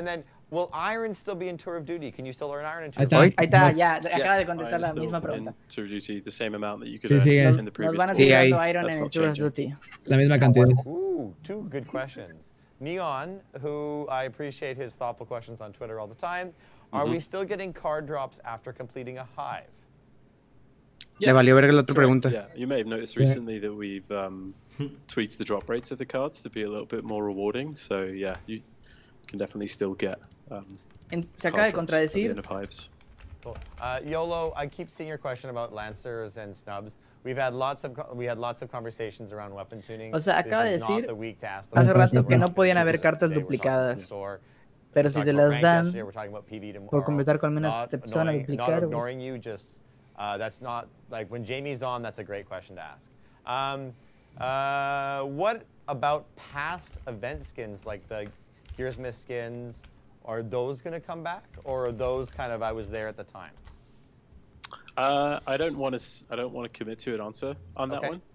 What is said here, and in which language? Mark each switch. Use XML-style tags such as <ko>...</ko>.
<en>Then will Iron still be in Tour of Duty? Can you still earn Iron in Tour of Duty?</en> <es>Ahí está, ya, acaba de contestar la misma pregunta.</es> <en>Tour of Duty, the same amount that you could earn in the previous</en> <es>tour. Nos van a seguir dando Iron en Tour of Duty. La misma cantidad.</es> <en>Ooh, two good questions. Neon, who I appreciate his thoughtful questions on Twitter all the time. Are we still getting card drops after completing a hive? Yes.</en> <es>Le valió ver la otra pregunta.</es> <en>Yeah, you may have noticed recently that we've tweaked the drop rates of the cards to be a little bit more rewarding. So yeah, you can definitely still get.</en> <es>Se acaba de contradecir.</es> <en>Yolo, I keep seeing your question about lancers and snubs. We've had lots of conversations around weapon tuning.</en> <es>O sea, acaba de decir hace rato que no podían haber cartas duplicadas. Pero si te las dan por completar con menos excepción a duplicar.</es> <en>That's not like when Jamie's on. That's a great question to ask. What about past event skins like the Gearsmith skins? Are those going to come back, or are those kind of I was there at the time? I don't want to commit to an answer on that one.</en>